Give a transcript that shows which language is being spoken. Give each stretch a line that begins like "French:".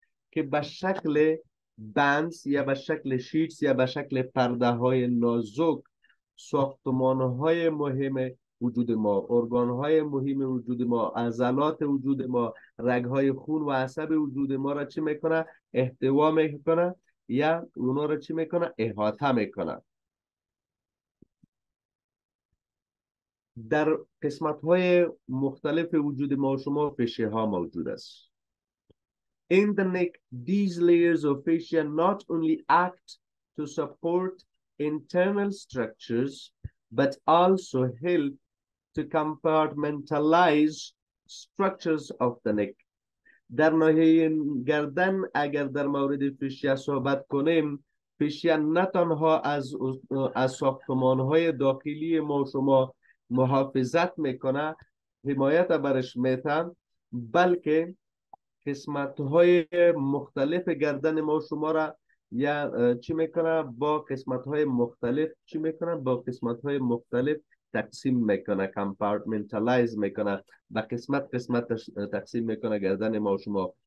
Persian: که به شکل بانس یا به شکل شیتس یا به شکل پرده های نازک ساختمان های مهم وجود ما، ارگان های مهم وجود ما، عضلات وجود ما، رگ های خون و عصب وجود ما را چی میکنه؟ احتوا میکنه یا اونا را چی میکنه؟ احاطه میکنه. در قسمت های مختلف وجود ما شما فشه ها موجود است.
English: In the neck, these layers of fascia not only act to support internal structures, but also help to compartmentalize structures of the neck.
Persian: در ناحیه گردن اگر در مورد فشیا صحبت کنیم، فشیا نه تنها از ساختمانهای داخلی ما شما محافظت میکنه، حمایت برش میتن، بلکه قسمت های مختلف گردن ما شما را یا چی میکنه؟ با قسمت های مختلف چی میکنه؟ با قسمت های مختلف تقسیم میکنه، کمپارتمنتالایز میکنه، با قسمت قسمت تقسیم میکنه گردن ما شما.